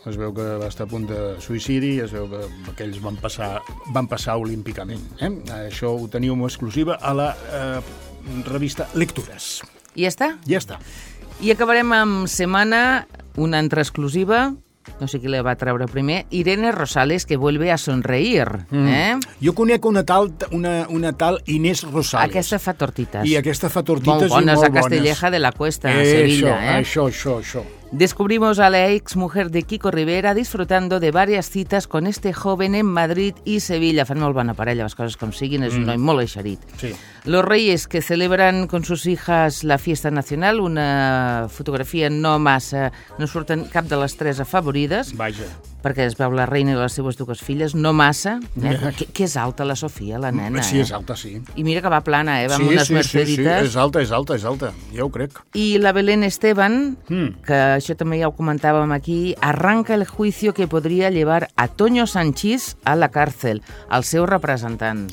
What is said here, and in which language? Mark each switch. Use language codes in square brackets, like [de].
[ca] Es veu que va estar a punt de suïcidi, es veu que aquells van passar olímpicament. Això ho teniu en exclusiva a la revista Lectures. I ja està? Ja està. I acabarem amb Semana, una altra exclusiva. No sé qui la va treure primer. [es] Irene Rosales, que vuelve a sonreír. [ca] Jo conec una tal Inés Rosales. Aquesta fa tortites. I aquesta fa tortites bones, i molt bones. A Castelleja de la Cuesta, a Sevilla. Això. [es] Descubrimos a la exmujer de Kiko Rivera disfrutando de varias citas con este joven en Madrid y Sevilla. [ca] Fan molt bona parella, les coses com siguin, és un noi molt eixerit. Sí. [es] Los Reyes, que celebran con sus hijas la fiesta nacional, [ca] una fotografia no massa... No surten cap de les tres afavorides. Vaja. Perquè es veu la reina i les seves dues filles, no massa. Que és alta la Sofia, la nena. Sí, és alta, sí. I mira que va plana, va amb unes mercedites. Sí, és alta, ja ho crec. I la Belén Esteban, que això també ja ho comentàvem aquí, [es] arranca el juicio que podria llevar a Toño Sanchís a la càrcel, [ca] al seu representant.